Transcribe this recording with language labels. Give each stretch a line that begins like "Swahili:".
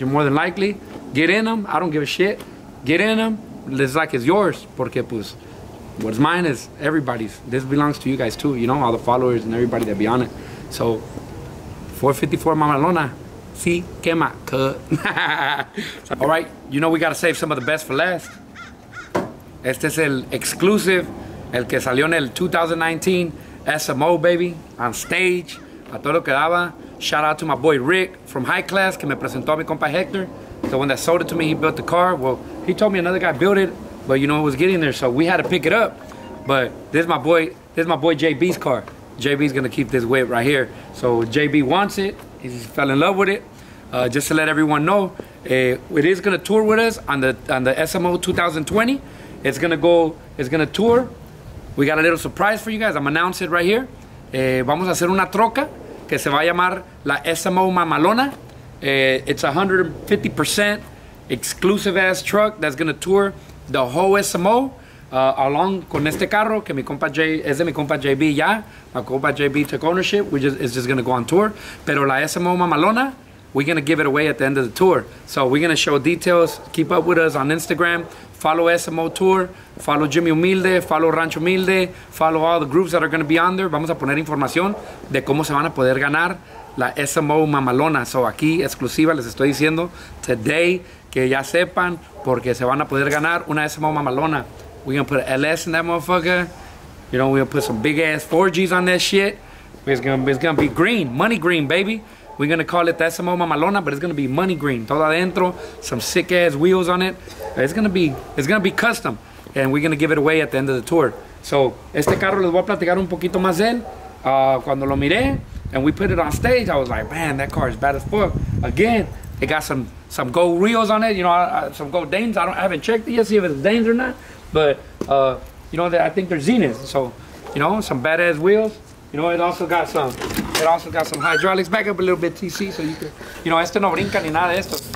English: You're more than likely get in them. I don't give a shit. Get in them. It's like it's yours.
Spanish: Porque pues.
English: What's mine is everybody's. This belongs to you guys too, you know, all the followers and everybody that be on it. So, 454 Mamalona,
Spanish: si quema,
English: cut. All right, you know we gotta save some of the best for last.
Spanish: Este es el exclusive, el que salió en el 2019 SMO, baby,
English: on stage,
Spanish: a todo lo que daba.
English: Shout out to my boy Rick from High Class,
Spanish: que me presentó a mi compa Hector.
English: The one that sold it to me, he built the car. Well, he told me another guy built it. But you know it was getting there, so we had to pick it up. But this is my boy JB's car. JB's gonna keep this whip right here. So JB wants it. He fell in love with it. Just to let everyone know, it is gonna tour with us on the SMO 2020. It's gonna tour. We got a little surprise for you guys. I'm announcing it right here.
Spanish: Vamos a hacer una troca que se va a llamar la SMO Mamalona.
English: It's 150% exclusive ass truck that's gonna tour the whole SMO, along
Spanish: con este carro, que mi compa Jay, es de mi compa JB ya.
English: My compa JB took ownership. It's just gonna go on tour.
Spanish: Pero la SMO Mamalona,
English: we're gonna give it away at the end of the tour. So we're gonna show details. Keep up with us on Instagram. Follow SMO Tour. Follow Jimmy Humilde. Follow Rancho Humilde. Follow all the groups that are gonna be on there.
Spanish: Vamos a poner información de cómo se van a poder ganar la SMO Mamalona. So aquí, exclusiva, les estoy diciendo
English: today,
Spanish: que ya sepan, porque se van a poder ganar una SMO Mamalona.
English: We're gonna put an LS in that motherfucker. You know, we're gonna put some big ass 4Gs on that shit. It's gonna be green, money green, baby. We're gonna call it the SMO Mamalona, but it's gonna be money green.
Spanish: Todo adentro,
English: some sick ass wheels on it. It's gonna be custom. And we're gonna give it away at the end of the tour.
Spanish: So, este carro les voy a platicar un poquito más de él. Cuando lo miré,
English: and we put it on stage, I was like, man, that car is bad as fuck. Again. It got some gold reels on it, you know, some gold Danes. I haven't checked it yet, see if it's Danes or not. But, you know, I think they're Zeniths. So, you know, some badass wheels. You know, it also got some hydraulics. Back up a little bit, TC, so you can, you know,
Spanish: este no brinca ni nada de esto.